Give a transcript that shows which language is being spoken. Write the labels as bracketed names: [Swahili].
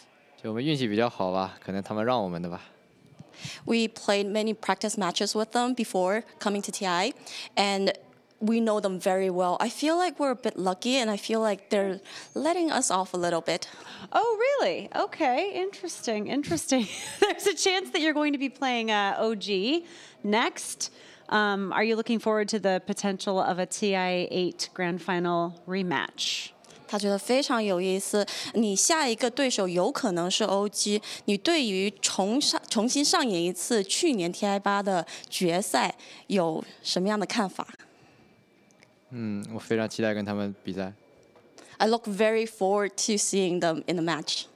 [Chinese] 首先恭喜获得比赛的胜利。我们想问一下，就是对于一支你那么熟悉的队伍，跟他们交手是什么样的一个感觉？就毕竟嘛，我们之前训练也打了很多把，就都比较了解嘛。然后就真打起来的话，看发挥嘛。应该就我们运气比较好吧，可能他们让我们的吧。 [English] We played many practice matches with them before coming to TI, and we know them very well. I feel like we're a bit lucky, and I feel like they're letting us off a little bit. Oh, really? Okay, interesting, interesting. There's a chance that you're going to be playing OG next. Are you looking forward to the potential of a TI 8 Grand Final rematch? [Chinese] 他觉得非常有意思。你下一个对手有可能是OG。你对于重新上演一次去年TI8的决赛有什么样的看法？ [English] I look very forward to seeing them in the match.